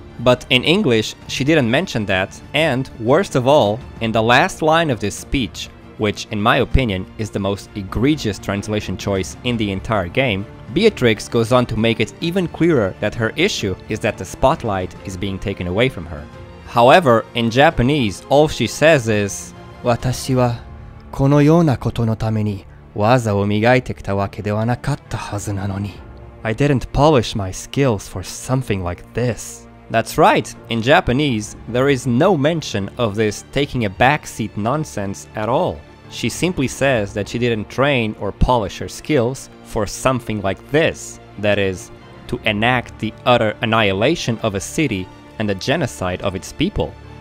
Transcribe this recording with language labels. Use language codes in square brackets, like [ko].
[en] But in English, she didn't mention that, and worst of all, in the last line of this speech, which in my opinion is the most egregious translation choice in the entire game, Beatrix goes on to make it even clearer that her issue is that the spotlight is being taken away from her. However, in Japanese, all she says is, [ja] "私はこのようなことのために技を磨いてきたわけではなかったはずなのに。 [en] I didn't polish my skills for something like this." That's right, in Japanese, there is no mention of this taking a backseat nonsense at all. She simply says that she didn't train or polish her skills for something like this, that is, to enact the utter annihilation of a city and the genocide of its people.